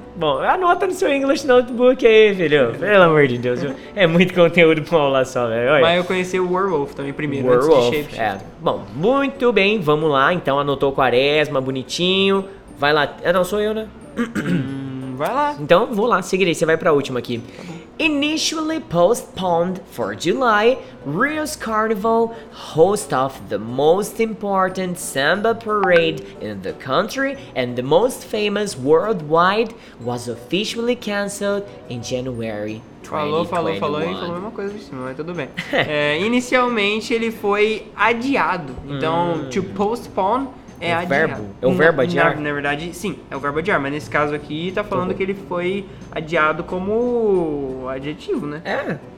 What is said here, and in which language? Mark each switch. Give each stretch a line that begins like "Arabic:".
Portuguese: Bom, anota no seu English Notebook aí, filho. Pelo amor de Deus. É muito conteúdo pra uma aula só, velho. Mas eu conheci o Werewolf também primeiro, antes de Shapeshifter. Bom, muito bem, vamos lá. Então anotou quaresma, bonitinho. Vai lá. Ah, não, sou eu, né? Vai lá. Então vou lá, seguirei. Você vai pra última aqui.
English: initially postponed for July, Rio's Carnival, host of the most important samba parade in the country and the most famous worldwide, was officially cancelled in January 2021.
Portuguese: Falou a mesma coisa de cima, mas tudo bem. Inicialmente ele foi adiado, então to postpone é adiado. Verbo. É o verbo adiar? Na verdade, sim, é o verbo adiar, mas nesse caso aqui tá falando que ele foi adiado como adjetivo, né? É.